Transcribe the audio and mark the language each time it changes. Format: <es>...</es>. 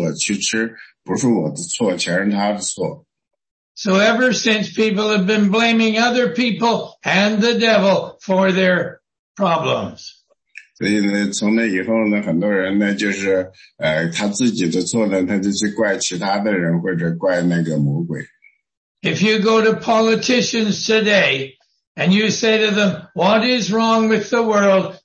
<zh>那夏娃就说，哦，是那个蛇，就是在那里那个蛇，他诱骗了我，他告诉我去吃，不是我的错，全是他的错。</zh> <en>So ever since, people have been blaming other people and the devil for their problems.</en> <zh>所以呢，从那以后呢，很多人呢，就是他自己的错呢，他就去怪其他的人或者怪那个魔鬼。</zh> <en>If you go to politicians today, and you say to them, what is wrong with the world?</en>